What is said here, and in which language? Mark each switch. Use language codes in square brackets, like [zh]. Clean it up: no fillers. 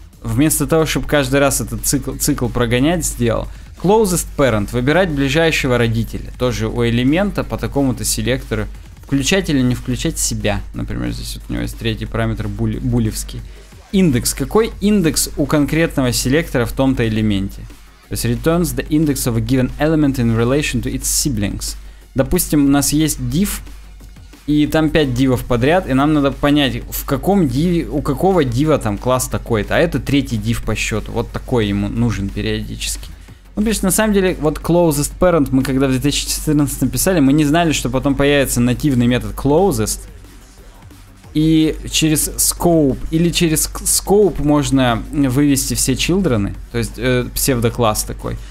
[ru] Вместо того, чтобы каждый раз этот цикл прогонять, сделал. Closest parent. Выбирать ближайшего родителя. Тоже у элемента по такому-то селектору. Включать или не включать себя. Например, здесь вот у него есть третий параметр булевский. Индекс. Какой индекс у конкретного селектора в том-то элементе? [en] То есть returns the index of a given element in relation to its siblings. [ru] Допустим, у нас есть div, и там 5 дивов подряд, и нам надо понять, в каком диве, у какого дива там класс такой-то, а это третий див по счету, вот такой ему нужен периодически. Ну, то есть, на самом деле, вот closest parent мы когда в 2014 написали, мы не знали, что потом появится нативный метод closest, и через scope, или через scope можно вывести все children, то есть псевдокласс такой.